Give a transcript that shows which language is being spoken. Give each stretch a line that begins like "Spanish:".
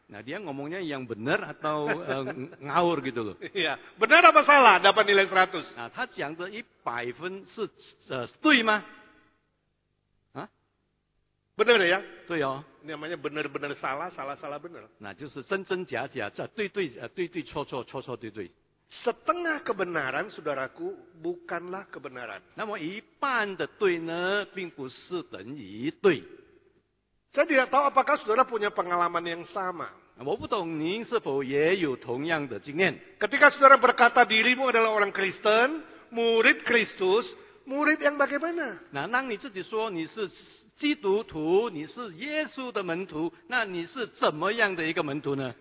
Indonesian: Nah, dia ngomongnya yang benar atau ngawur gitu loh. Iya, benar apa salah dapat nilai 100?
Chinese: Nah, 他讲的100分是对吗？
Indonesian: Benar ya? Tuh ya. Namanya benar-benar salah, salah-salah benar.
Chinese: Nah,
Indonesian: itu sejen-jen
Chinese: 假假,对对,对对,错错,错错,对对.
Indonesian: Setengah kebenaran, saudaraku, bukanlah kebenaran.
Chinese: Namun, 一半的对呢,并不是等于对.
Indonesian: Saya tidak tahu apakah saudara punya pengalaman yang sama.
Chinese: 我不懂您是否也有同样的经验.
Indonesian: Ketika saudara berkata dirimu adalah orang Kristen, murid Kristus, murid yang bagaimana?
Chinese: Nah, 当你自己说你是 基督徒，你是耶稣的门徒，那你是怎么样的一个门徒呢？